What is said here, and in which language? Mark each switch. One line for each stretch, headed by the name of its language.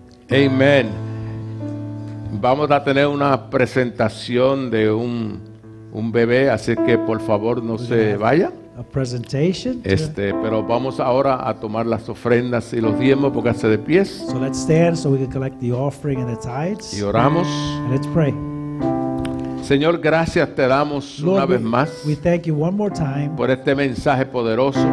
Spanish: Amen. Vamos a tener una presentación de un bebé, así que por favor no se vaya.
English: A presentation.
Spanish: Pero vamos ahora a tomar las ofrendas y los diezmos, póngase de pies.
English: So let's stand so we can collect the offering and the tithes.
Spanish: Y oramos.
English: And let's pray.
Spanish: Señor, gracias te damos una vez más por este mensaje poderoso,